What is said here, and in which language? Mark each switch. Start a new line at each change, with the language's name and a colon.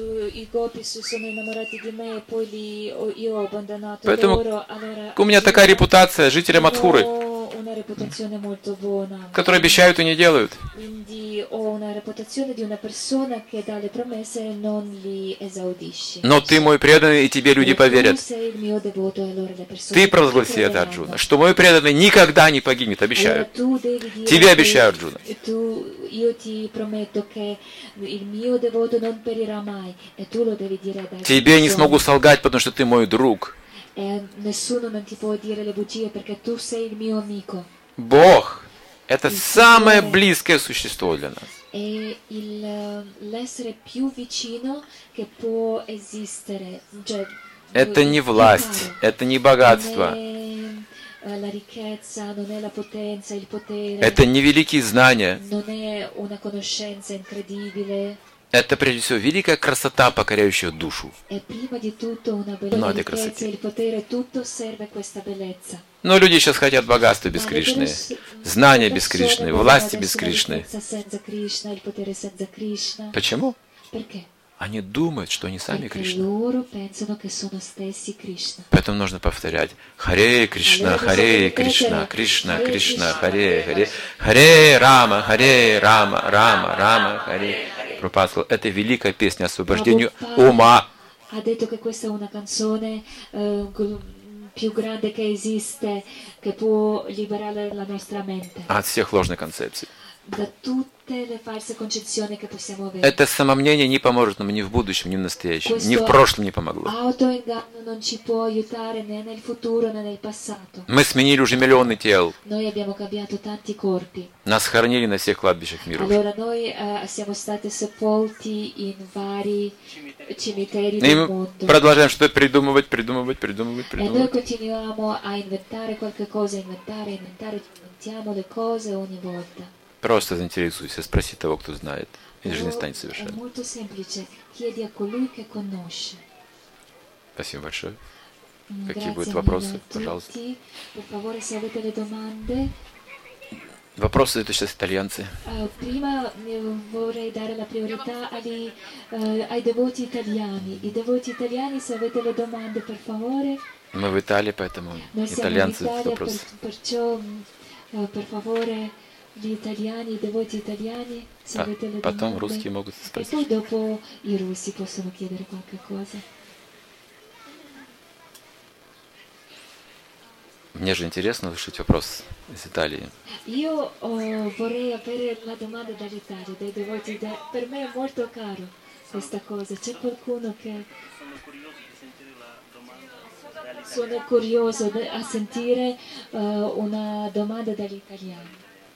Italian: I gopi si sono innamorati di me e poi li io ho abbandonato.
Russian: Поэтому у меня такая репутация жителя Матхуры.
Italian: Una reputazione molto buona.
Russian: Которые обещают и не делают.
Italian: Quindi ho una reputazione di una persona che dà le promesse e non li esaudisce.
Russian: Но ты мой преданный и тебе люди поверят.
Italian: Sei il mio devoto, allora le persone.
Russian: Ты провозгласи это, Арджуна, что мой преданный никогда не погибнет, обещаю. Тебе обещаю, Арджуна.
Italian: Io ti prometto che il mio devoto non perirà mai. E tu lo devi dire adesso.
Russian: Тебе не смогу солгать, потому что ты мой друг.
Italian: E nessuno non ti può dire le bugie perché tu sei il mio amico.
Russian: Бог – это самое близкое существо для нас.
Italian: È l'essere più vicino che può esistere.
Russian: Это не власть, это не богатство.
Italian: La ricchezza non è la potenza, il potere.
Russian: Это не великие знания.
Italian: Non è una conoscenza incredibile.
Russian: Это прежде всего великая красота, покоряющая душу.
Italian: E prima di tutto una bellezza,
Russian: но красоте.
Italian: Il potere, tutto serve questa bellezza.
Russian: Но люди сейчас хотят богатства без Кришны, знания без Кришны, власти без Кришны.
Italian: Senza Krishna, il potere senza Krishna.
Russian: Почему?
Italian: Perché?
Russian: Они думают, что они сами Кришна. Поэтому нужно повторять: Харе Кришна, Харе Кришна, Кришна, Кришна, Харе Харе, Харе Рама, Харе Рама, Рама, Рама, Харе. Прабхупада сказал, это великая песня освобождения ума.
Italian: Ha detto che questa è una canzone più grande che esiste, che può liberare la nostra mente.
Russian: От всех ложных концепций.
Italian: Da tutte le false concezioni che possiamo avere.
Russian: Это самомнение не поможет нам ни в будущем, ни в настоящем, ни в прошлом не помогло.
Italian: Autoinganno non ci può aiutare né nel futuro né nel passato.
Russian: Мы сменили уже миллионы тел.
Italian: Noi abbiamo cambiato tanti corpi.
Russian: Нас хоронили на всех кладбищах мира.
Italian: Allora noi siamo stati sepolti in vari cimiteri del mondo.
Russian: И мы продолжаем что-то придумывать, придумывать, придумывать, придумывать.
Italian: E noi continuiamo a inventare qualche cosa, inventare, inventare, inventiamo le cose ogni volta.
Russian: Просто заинтересуйся, спроси того, кто знает, и жизнь станет совершенной.
Italian: Molto semplice, chiedi a colui che conosce.
Russian: Спасибо большое. Какие будут вопросы, пожалуйста?
Italian: Per favore, se avete le domande.
Russian: Вопросы это сейчас итальянцы.
Italian: Prima vorrei dare la priorità ai devoti italiani. I devoti italiani, se avete le domande, per favore.
Russian: Мы в Италии, поэтому итальянцы вопросы.
Italian: Perciò, per favore. Gli italiani, i devoti italiani, se avete le
Russian: потом
Italian: domande.
Russian: Русские могут спросить.
Italian: E poi dopo i russi possono chiedere qualche cosa.
Russian: Мне же интересно услышать вопрос из Италии.
Italian: Io vorrei avere la domanda dall'Italia, dai devoti. Per me è molto caro questa cosa. C'è qualcuno che sono curioso a sentire una domanda dagli italiani.